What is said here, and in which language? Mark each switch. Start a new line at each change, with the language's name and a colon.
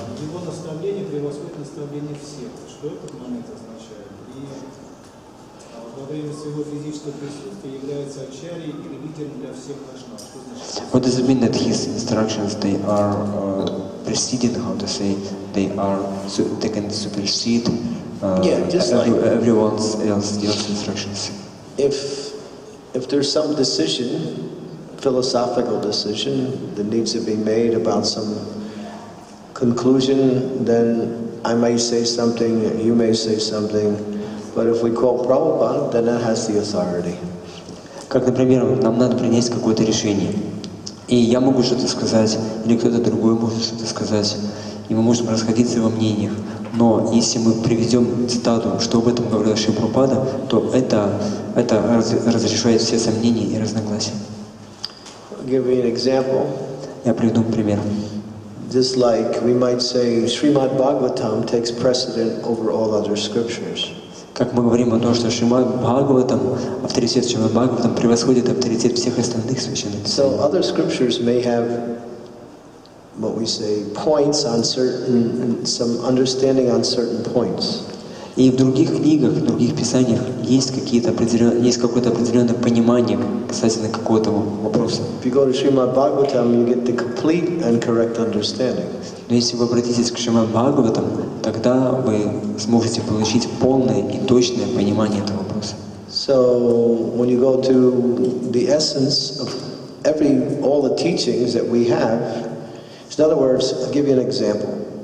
Russian: Его наставление превосходит наставление всех. Что этот момент означает? И во время своего физического присутствия является ачарьей или лидером для всех вайшнав.
English: What does it mean that his instructions they are preceding, how to say, they can supersede? Everyone else's instructions. If there's some decision, philosophical decision, that needs to be made about some conclusion, then I may say something, you may say something, but if we quote Prabhupada, then that has the authority.
Russian: Как, например, нам надо принять какое-то решение, и я могу что-то сказать, или кто-то другой может что-то сказать. и мы можем расходиться во мнениях. Но если мы приведем цитату, что об этом говорил Шри Прабхупада, то это разрешает все сомнения и разногласия.
English: Give you an example.
Russian: Я приведу пример.
English: Just like we might say, Srimad Bhagavatam takes precedent over all other scriptures.
Russian: Как мы говорим о том, что Шримад Бхагаватам, авторитет Шримад Бхагаватам превосходит авторитет всех остальных священных писаний.
English: So other scriptures may have what we say points on certain some understanding on certain points.
Russian: И в других книгах, в других писаниях есть какие-то определенные, есть какое-то определенное понимание касательно какого-то вопроса.
English: If you go to Srimad Bhagavatam, you get the complete and correct understanding.
Russian: Но если вы обратитесь к Шримад Бхагаватам, тогда вы сможете получить полное и точное понимание этого вопроса.
English: So when you go to the essence of all the teachings that we have, in other words, I'll give you an example.